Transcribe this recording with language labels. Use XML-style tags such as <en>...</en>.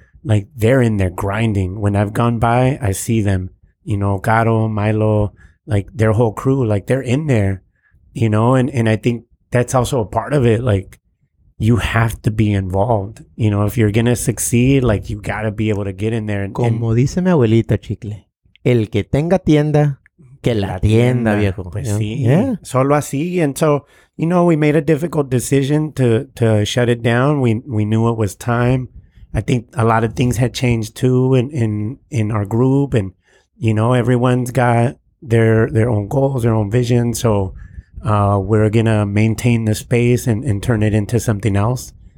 <en>like they're in there grinding. When I've gone by, I see them, you know, Caro, Milo, like their whole crew, like they're in there, you know, and I think that's also a part of it. Like you have to be involved, you know, if you're going to succeed, like you got to be able to get in there. And,</en> <es>como dice mi abuelita chicle, el que tenga tienda, que la tienda, viejo. Pues sí, yeah. Solo así.</es> <en>And so, you know, we made a difficult decision to shut it down. We knew it was time. I think a lot of things had changed too in our group, and you know, everyone's got their own goals, their own vision. So we're gonna maintain the space and turn it into something else.</en>